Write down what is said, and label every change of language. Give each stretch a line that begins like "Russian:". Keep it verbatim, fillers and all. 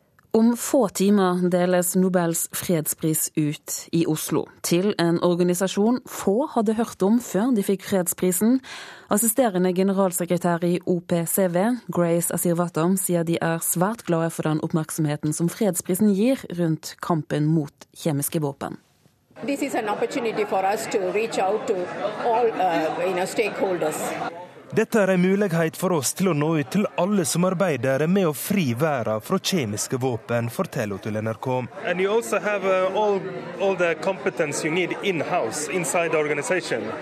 Norwegian: Om få timer deles Nobels fredspris ut i Oslo, til en organisasjon få hadde hørt om før de fikk fredsprisen. Assisterende generalsekretær i O P C V, Grace Asirvatam, sier de er svært glade for den oppmerksomheten som fredsprisen gir rundt kampen mot kjemiske våpen.
English: This is an opportunity for us to reach out to all uh, you know, stakeholders.
Norwegian: Dette er en mulighet for oss til å nå ut til alle som arbeider med å fri verden fra kjemiske våpen, forteller hun til N R K.
English: And you also have uh, all all the competence you need in house inside the organization.